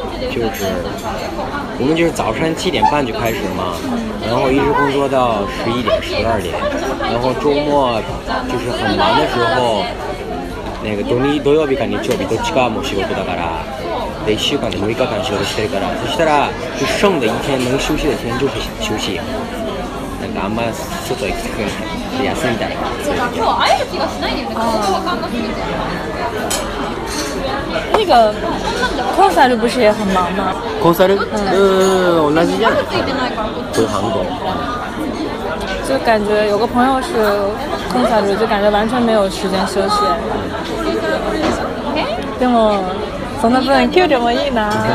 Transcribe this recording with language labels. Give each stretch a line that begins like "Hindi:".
Chinese: 就是我们就是早上七点半就开始了嘛，然后一直工作到11点、12点，然后周末就是很忙的时候，那个
Japanese: 土曜日か日曜日どっちかも仕事だから，で1週間で6日間仕事してるから，そしたら
Chinese: 就剩的一天能休息的天就是休息，
Japanese: なんかあんま外行きたくない、休みたい。今日会える気がしないんだけど。
Chinese: 那个公司不是也很忙吗？
Japanese: 公司？同じじゃん。
Chinese: 都韩国。就感觉有个朋友是公司，就感觉完全没有时间休息。
Japanese: でも、そんな分給料もいいな。